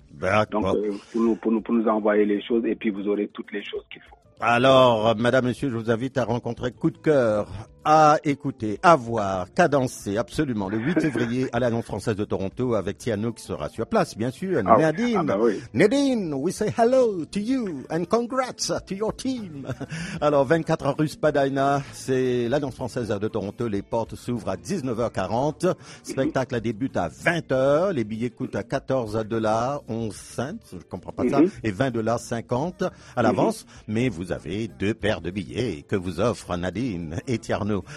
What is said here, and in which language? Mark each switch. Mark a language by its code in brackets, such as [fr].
[fr] D'accord. Donc, pour nous envoyer les choses et puis vous aurez toutes les choses qu'il faut. Alors, madame, monsieur, je vous invite à rencontrer Coup de cœur, à écouter, à voir, qu'à danser, absolument, le 8 février à l'Alliance française de Toronto avec Tiano qui sera sur place, bien sûr. Ah, Nadine. Ah bah oui. [en] Nadine, we say hello to you and congrats to your team. [fr] Alors, 24 rue Spadina, c'est l'Alliance française de Toronto. Les portes s'ouvrent à 19h40. Spectacle débute à 20h. Les billets coûtent à $14, 11 cents, je comprends pas ça, et $20.50 à l'avance. Mais vous avez deux paires de billets que vous offrent Nadine et Tiano.